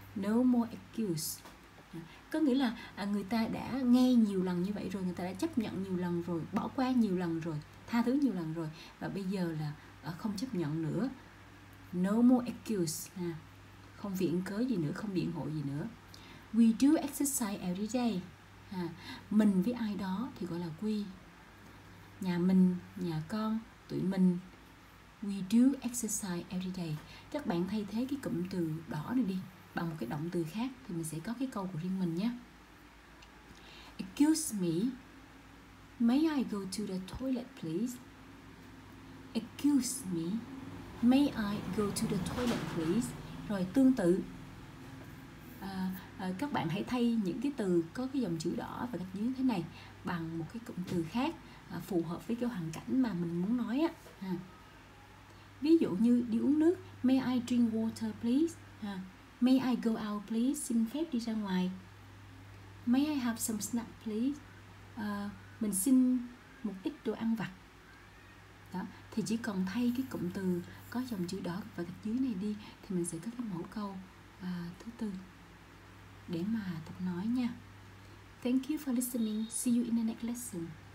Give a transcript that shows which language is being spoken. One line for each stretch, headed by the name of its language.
English: No more excuse.
Vietnamese: Có nghĩa là người ta đã nghe nhiều lần như vậy rồi, người ta đã chấp nhận nhiều lần rồi, bỏ qua nhiều lần rồi, tha thứ nhiều lần rồi, và bây giờ là không chấp nhận nữa.
English: No more excuse.
Vietnamese: Không viện cớ gì nữa, không biện hộ gì nữa.
English: We do exercise every day.
Vietnamese: Mình với ai đó thì gọi là we. Nhà mình, nhà con, tụi mình.
English: We do exercise every day.
Vietnamese: Các bạn thay thế cái cụm từ đó này đi bằng một cái động từ khác thì mình sẽ có cái câu của riêng mình nhé.
English: Excuse me, may I go to the toilet please? Excuse me, may I go to the toilet please?
Vietnamese: Rồi tương tự, các bạn hãy thay những cái từ có cái dòng chữ đỏ và gạch dưới thế này bằng một cái cụm từ khác phù hợp với cái hoàn cảnh mà mình muốn nói á. Ví dụ như đi uống nước,
English: may I drink water please? May I go out please?
Vietnamese: Xin phép đi ra ngoài.
English: May I have some snack please?
Vietnamese: Mình xin một ít đồ ăn vặt. Đó, thì chỉ cần thay cái cụm từ có dòng chữ đỏ và gạch dưới này đi thì mình sẽ có cái mẫu câu thứ tư để mà tập nói nha.
English: Thank you for listening. See you in the next lesson.